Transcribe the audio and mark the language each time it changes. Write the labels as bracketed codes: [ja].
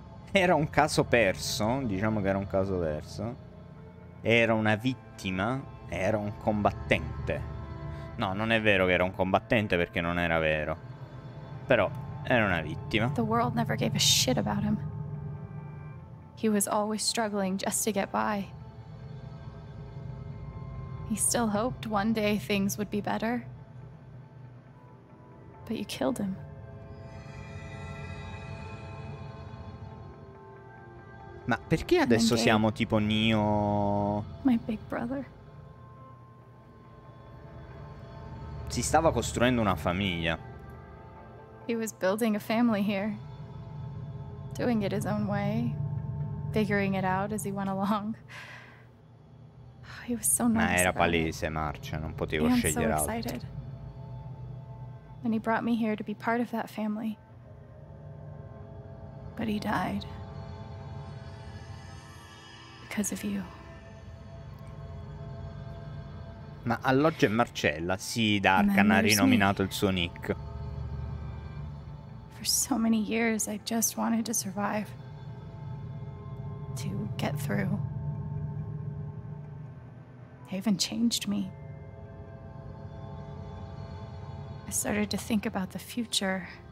[it] Era un caso perso, diciamo che era un caso perso. Era una vittima, era un combattente. No, non è vero che era un combattente, perché non era vero. Però era una vittima. [en] The world never gave a shit about him. He was always struggling just to get by. He still hoped one day things would be better. But you killed him. [it] Ma perché adesso siamo tipo Neo? [en] My big brother. [it] Si stava costruendo una famiglia. [en] He was building a family here. Doing it his own way. Figuring it out as he went along. He was so nice. [it] Ma era palese, Marcia, non potevo scegliere altro. [en] And he brought me here to be part of that family. But he died. Because of you. [it] Ma alloggia Marcella? Sì, Darkan ha rinominato il suo nick. [en] For so many years I just wanted to survive. To get through. Haven changed me. I started to think about the future.